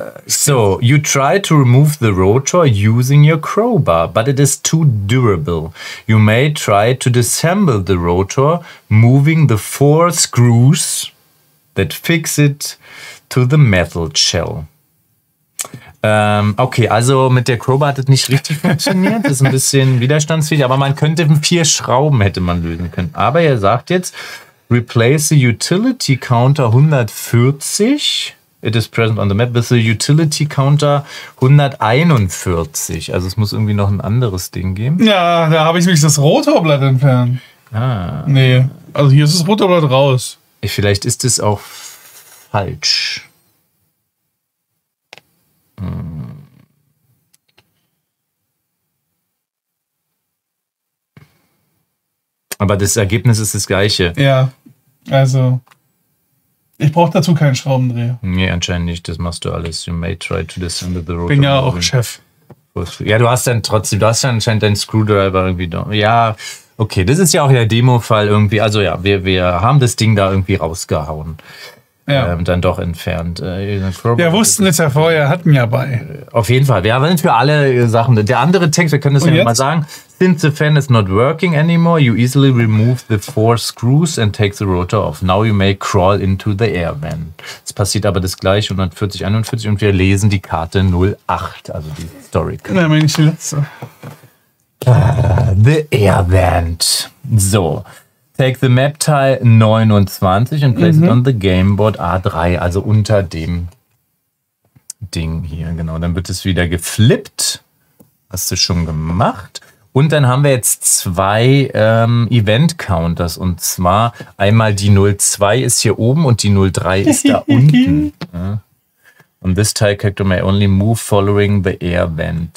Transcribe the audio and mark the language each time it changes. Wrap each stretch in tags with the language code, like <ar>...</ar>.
<en>So, you try to remove the rotor using your crowbar, but it is too durable. You may try to disassemble the rotor, moving the four screws that fix it to the metal shell.</en> <de>Okay, also mit der Crowbar hat es nicht richtig funktioniert. Das ist ein bisschen widerstandsfähig, aber man könnte vier Schrauben hätte man lösen können. Aber er sagt jetzt,</de> <en>replace the utility counter 140. It is present on the map with the utility counter 141.</en> <de>Also es muss irgendwie noch ein anderes Ding geben. Ja, da habe ich mich das Rotorblatt entfernt. Ah. Nee, also hier ist das Rotorblatt raus. Vielleicht ist es auch falsch. Aber das Ergebnis ist das gleiche. Ja, also ich brauche dazu keinen Schraubendreher. Nee, anscheinend nicht. Das machst du alles.</de> <en>You may try to disassemble the rotor.</en> <de>Bin ja auch Chef. Ja, du hast dann trotzdem, du hast ja anscheinend deinen Screwdriver irgendwie da. Ja, okay, das ist ja auch der Demo-Fall irgendwie. Also ja, wir haben das Ding da irgendwie rausgehauen. Ja. Dann doch entfernt. Wir wussten es ja vorher, hatten ja bei. Auf jeden Fall. Wir haben für alle Sachen. Der andere Text, wir können das ja mal sagen.</de> <en>Since the fan is not working anymore, you easily remove the four screws and take the rotor off. Now you may crawl into the air van.</en> <de>Es passiert aber das gleiche, 140, 41, und wir lesen die Karte 08, also die Story. Na, Mensch, letzte.</de> <en>The air van. So. Take the map tile 29 and place it on the gameboard A3,</en> <de>also unter dem Ding hier, genau. Dann wird es wieder geflippt. Hast du schon gemacht. Und dann haben wir jetzt zwei Event-Counters. Und zwar einmal die 02 ist hier oben und die 03 ist da unten.</de> <en>Und this tile character may only move following the air vent.</en>